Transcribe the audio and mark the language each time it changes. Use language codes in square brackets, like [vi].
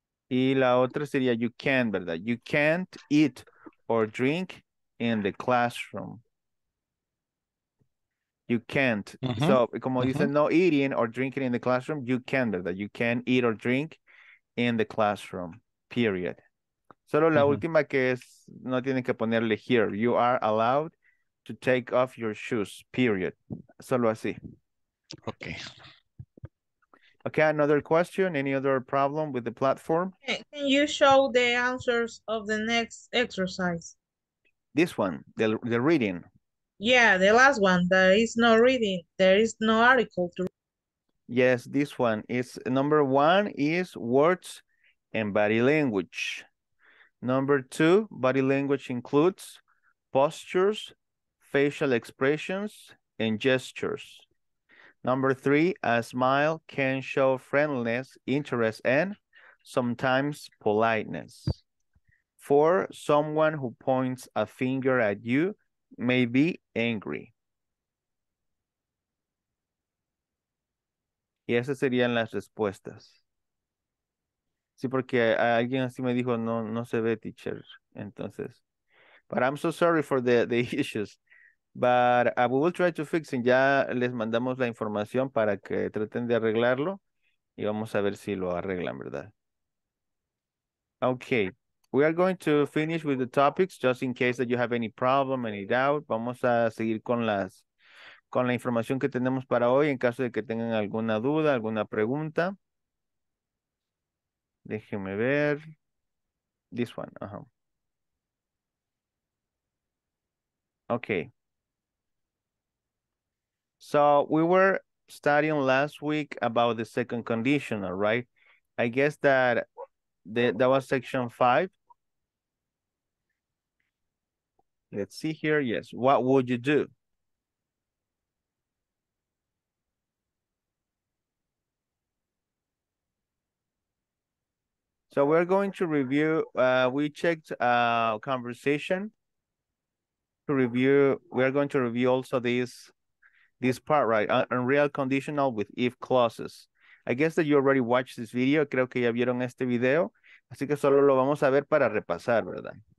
[es] Y la otra sería [en] you can, [es] ¿verdad? [en] You can't eat or drink in the classroom. You can't. So, [es] como dice, [en] no eating or drinking in the classroom, you can, [es] ¿verdad? [en] You can't eat or drink in the classroom, period. [es] Solo la última que es, no tienen que ponerle [en] here. You are allowed to take off your shoes, period. [es] Solo así. [en] Okay. Okay, another question. Any other problem with the platform? Can you show the answers of the next exercise? This one, the reading. Yeah, the last one. There is no reading. There is no article to read. Yes, this one. It's number one is words and body language. Number two, body language includes postures, facial expressions, and gestures. Number three, a smile can show friendliness, interest, and sometimes politeness. Four, someone who points a finger at you may be angry. [es] Y esas serían las respuestas. Sí, porque alguien así me dijo, no, no se ve, teacher. [en] Entonces, but I'm so sorry for the issues. But we will try to fix it. [es] Ya les mandamos la información para que traten de arreglarlo y vamos a ver si lo arreglan, ¿verdad? [en] Okay, we are going to finish with the topics just in case that you have any problem, any doubt. [es] Vamos a seguir con la información que tenemos para hoy en caso de que tengan alguna duda, alguna pregunta. Déjenme ver. [en] This one. Okay. So we were studying last week about the second conditional, right? I guess that that was section five. Let's see here. Yes. What would you do? So we're going to review. We checked a conversation to review. We're going to review also this. This part, right? Unreal conditional with if clauses. I guess that you already watched this video. [es] Creo que ya vieron este video. Así que solo lo vamos a ver para repasar, ¿verdad?